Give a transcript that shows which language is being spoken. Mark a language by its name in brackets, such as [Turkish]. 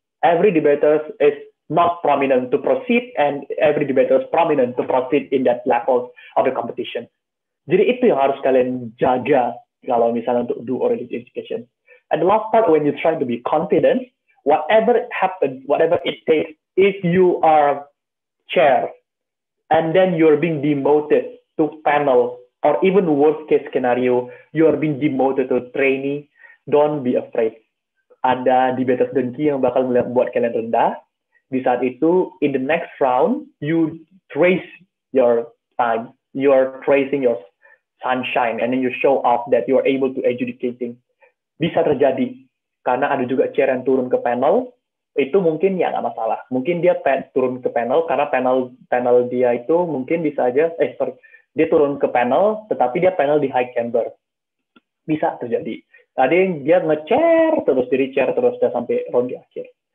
[English] Every debaters is not prominent to proceed, and every debater is prominent to proceed in that level of the competition. [Indonesian] Jadi itu yang harus kalian jaga kalau misalnya untuk do oral adjudication. [English] And the last part, when you try to be confident, whatever happens, whatever it takes, if you are chair, and then you're being demoted to panel, or even worst case scenario, you're being demoted to trainee, don't be afraid. [Indonesian] Ada debater dengki yang bakal buat kalian rendah. Di saat itu, [English] in the next round, you trace your time. You are tracing your sunshine, and then you show off that you are able to adjudicating. [Indonesian] Bisa terjadi, karena ada juga chair yang turun ke panel, itu mungkin ya nggak masalah. Mungkin dia turun ke panel, karena panel dia itu mungkin bisa aja, dia turun ke panel, tetapi dia panel di high chamber. Bisa terjadi. Tadi dia nge-chair, terus jadi chair, terus dia sampai round di akhir.